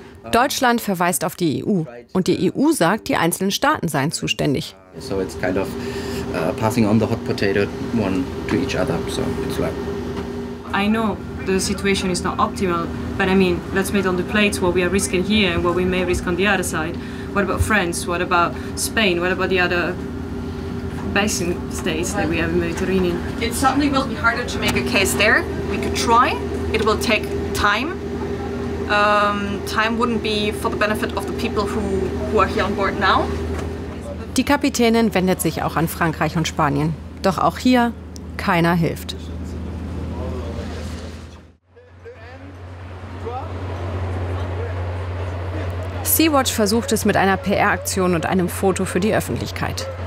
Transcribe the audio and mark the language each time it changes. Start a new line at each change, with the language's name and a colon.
German: Deutschland verweist auf die EU und die EU sagt, die einzelnen Staaten seien zuständig.
English: So it's kind of passing on the hot potato one to each other. So it's like I know the situation is not optimal, but I mean, let's meet on the plates what we are risking here and what we may risk on the other side. What about France? What about Spain? What about the other basin states that we have in Mediterranean? It certainly will be harder to make a case there. We could try. It will take time. Time wouldn't be for the benefit of the people who are here on board now.
German: Die Kapitänin wendet sich auch an Frankreich und Spanien. Doch auch hier, keiner hilft. Sea-Watch versucht es mit einer PR-Aktion und einem Foto für die Öffentlichkeit.